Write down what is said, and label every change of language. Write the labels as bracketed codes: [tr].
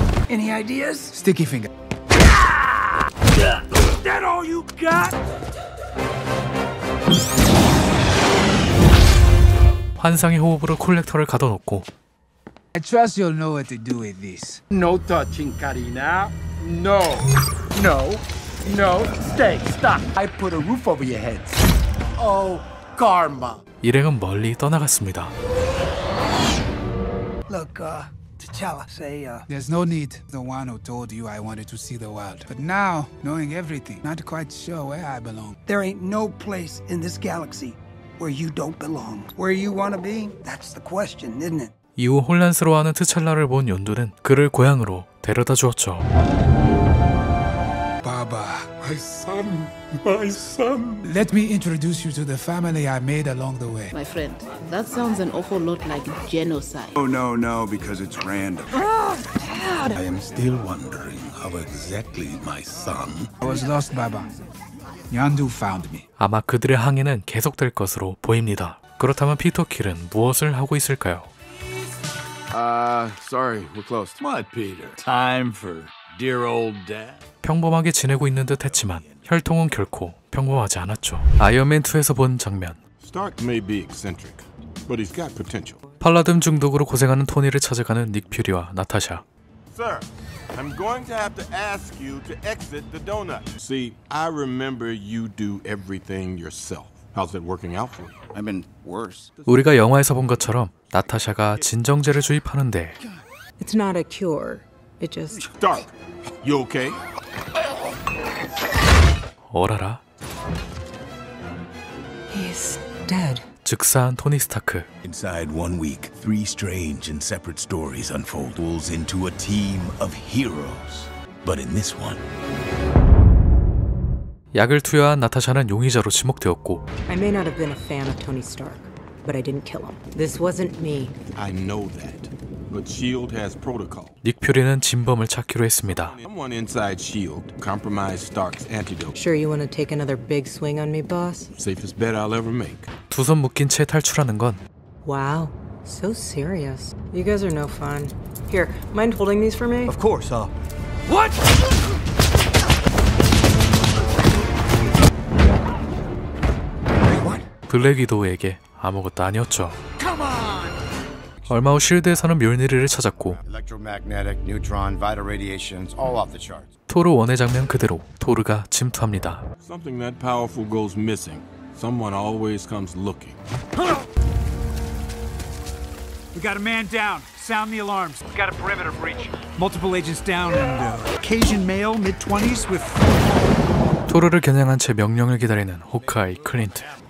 [en] Any ideas? Sticky finger. That all you got? [ko] 환상의 호흡으로 콜렉터를 가둬놓고 [en] I trust you'll know what to do with this. No touching, Karina. No. No. No. Stay. Stop. I put a roof over your head. Oh, karma. [ko] 일행은 멀리 떠나갔습니다. [en] Look, T'Challa, say, There's no need. The one who told you I wanted to see the world. But now, knowing everything, not quite sure where I belong. There ain't no place in this galaxy where you don't belong. Where you wanna be? That's the question, isn't it? [ko] 이후 혼란스러워하는 트찰라를 본 연두는 그를 고향으로 데려다 주었죠. [en] Baba, my son, my son. Let me introduce you to the family I made along the way. My friend, that sounds an awful lot like genocide. Oh no, no, because it's random. Oh, Dad! I am still wondering how exactly my son... I was lost, Baba. Yondu found me. [ko] 아마 그들의 항해는 계속될 것으로 보입니다. 그렇다면 피터 킬은 무엇을 하고 있을까요? [en] Sorry, we're closed. What, Peter? Time for dear old dad. [ko] 평범하게 지내고 있는 듯했지만 혈통은 결코 평범하지 않았죠. 아이언맨2에서 본 장면. [en] Stark may be eccentric, but he's got potential. [ko] 팔라듐 중독으로 고생하는 토니를 찾아가는 닉 퓨리와 나타샤. [en] Sir, I'm going to have to ask you to exit the donut. See, I remember you do everything yourself. How's it working out for you? I've been worse. [ko] 우리가 영화에서 본 것처럼 나타샤가 진정제를 주입하는데 [en] It's not a cure. It just Stark. You okay? [ko] 어라라. [en] He's dead. [ko] 즉사한 토니 스타크. [en] Inside one week, three strange and separate stories unfold wolves into a team of heroes. But in this one [ko] 약을 투여한 나타샤는 용의자로 지목되었고 [en] I may not have been a fan of Tony Stark, but I didn't kill him. This wasn't me. I know that, but S.H.I.E.L.D. has protocol. [ko] 닉 퓨리는 진범을 찾기로 했습니다. [en] Someone inside S.H.I.E.L.D. compromised Stark's antidote. Sure you want to take another big swing on me, boss? Safest bet I'll ever make. [ko] 두 손 묶인 채 탈출하는 건 [en] Wow, so serious. You guys are no fun. Here, mind holding these for me? Of course, What?! [ko] 블랙 위도우에게 아무것도 아니었죠. 얼마 후 실드에서는 뮬니르를 찾았고 [en] neutron, vital radiations, all off the charts. [ko] 토르 원의 장면 그대로 토르가 침투합니다. [en] Something that powerful goes missing. Someone always comes looking. We got a man down. Sound the alarms. We got a perimeter breach. Multiple agents down and Caucasian male mid-20s with [ko] 토르를 겨냥한 채 명령을 기다리는 호크아이 클린트.